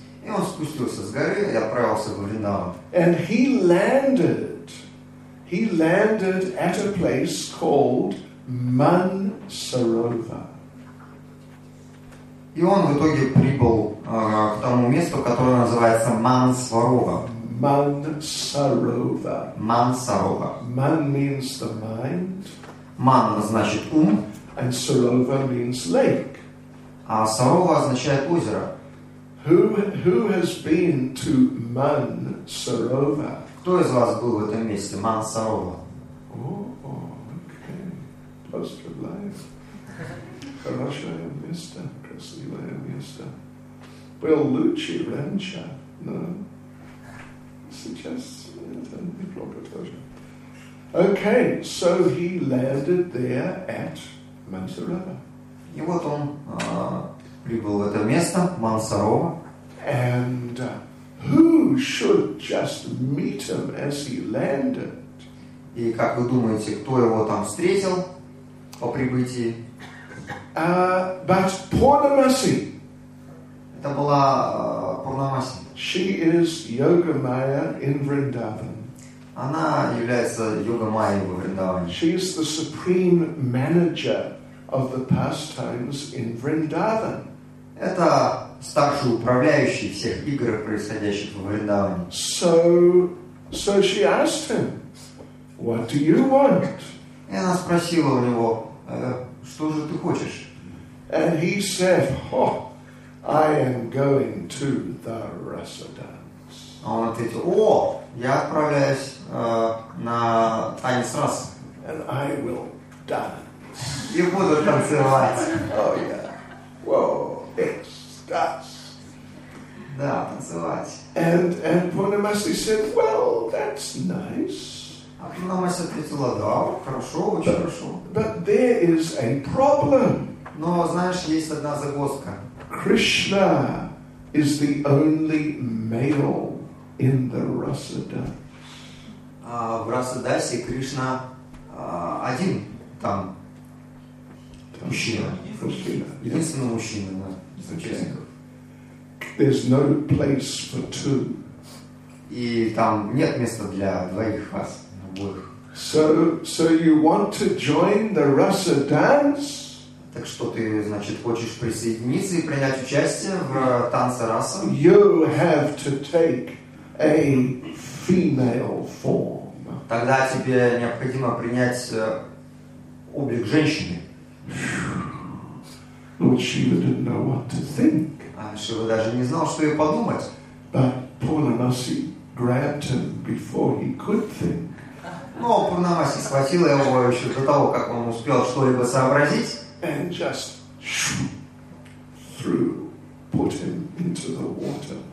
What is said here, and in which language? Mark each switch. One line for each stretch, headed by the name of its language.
Russian: И он спустился с горы и отправился в Вриндаван.
English: And he landed at a place called Mansarovar.
Russian: И он в итоге прибыл к тому месту, которое называется Мансарова. Мансарова. Мансарова.
English: Ман means the mind.
Russian: Ман значит ум.
English: And Sarova means lake.
Russian: А Сарова означает озеро.
English: Who has been to Мансарова?
Russian: Кто из вас был в этом месте, Мансарова?
English: Okay. Post of life.
Russian: Хорошая место. Красивое место. Был Лучи Ранчо, но сейчас это неплохо тоже.
English: Okay, so he landed there at Mansarova.
Russian: И вот он прибыл в это место, Мансарова.
English: And Who should just meet him as he landed?
Russian: И как вы думаете, кто его там встретил по прибытии?
English: But Purnamasi.
Russian: Это была Пурнамаси.
English: She is Yogamaya in Vrindavan.
Russian: Она является Йогамайей во Вриндаване.
English: She is the supreme manager of the pastimes in Vrindavan.
Russian: Это старший управляющий всех игр, происходящих во Вриндаване.
English: So she asked him, "What do you want?"
Russian: И она спросила у него, что же ты хочешь?
English: And he said, "Oh, I am going to the Rasa dance."
Russian: А он ответил, "О, я отправляюсь на танец раз.
English: And I will dance.
Russian: И буду танцевать.
English: Oh yeah. Whoa, yes, that's.
Russian: Да, танцевать.
English: And Purnamasi said, "Well, that's nice."
Russian: А Пурнамаси ответила, да, хорошо, очень хорошо.
English: But there is a problem.
Russian: Но знаешь, есть одна загвоздка.
English: Krishna is the only male in the Rasa dance.
Russian: В Расадасе Кришна один там мужчина. Единственный мужчина из участников.
English: There's no place for two.
Russian: И там нет места для двоих вас, обоих.
English: So you want to join the Rasa dance?
Russian: Так что ты, значит, хочешь присоединиться и принять участие в танце Раса?
English: You have to take a female form.
Russian: Тогда тебе необходимо принять облик женщины.
English: Lord Shiva didn't know what to think.
Russian: А Шива даже не знал, что ей подумать.
English: But Purnamasi grabbed him before he could think.
Russian: Но Пурнамаси схватила его еще до того, как он успел что-либо сообразить.
English: And just threw, put him into the water.